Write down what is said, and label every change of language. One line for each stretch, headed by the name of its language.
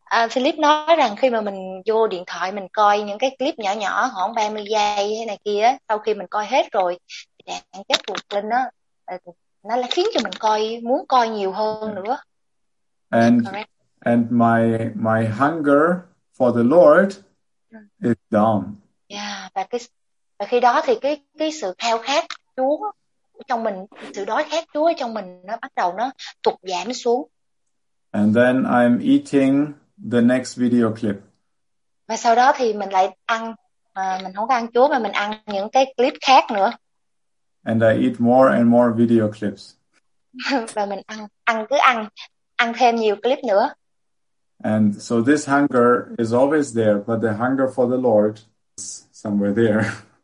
Vietnamese: Philip nói rằng khi mà mình vô điện thoại mình coi những cái clip nhỏ nhỏ khoảng 30 giây hay này kia, sau khi mình coi hết rồi, đèn kết thúc lên đó, nó là khiến cho mình coi muốn coi nhiều hơn nữa.
English: And my hunger for the Lord is down.
Vietnamese: Yeah, và khi đó thì cái sự khao khát Chúa trong mình, sự đói khát Chúa trong mình nó bắt đầu nó tụt giảm xuống.
English: And then I'm eating the next video clip.
Vietnamese: Và sau đó thì mình lại ăn, mình không có ăn Chúa mà mình ăn những cái clip khác nữa.
English: And I eat more and more video clips.
Vietnamese: Và mình ăn thêm nhiều clip nữa.
English: And so this hunger is always there, but the hunger for the Lord is somewhere there.